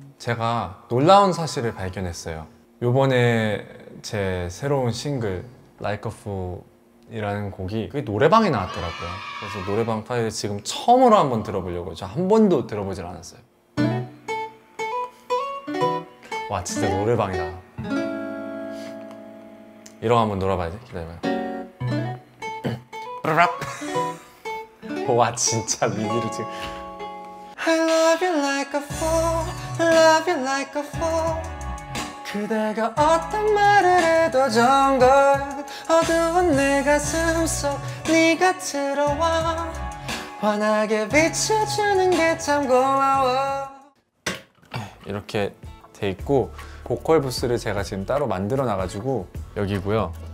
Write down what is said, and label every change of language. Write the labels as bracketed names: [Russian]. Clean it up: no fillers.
[Korean] 제가 놀라운 사실을 발견했어요. 요번에 제 새로운 싱글 Like a Fool이라는 곡이 그게 노래방에 나왔더라고요. 그래서 노래방 파일을 지금 처음으로 한번 들어보려고. 저 한 번도 들어보질 않았어요. 와 진짜 노래방이다. 이러고 한번 놀아봐야지. 기다려봐요. 와 진짜 미디를 지금 [English] I love you like a fool, love you like a fool. [Korean] 그대가 어떤 말을 해도 정글 어두운 내 가슴 속 네가 들어와 환하게 비춰주는 게 참 고마워. 이렇게 돼 있고 보컬 부스를 제가 지금 따로 만들어 놔가지고 여기고요.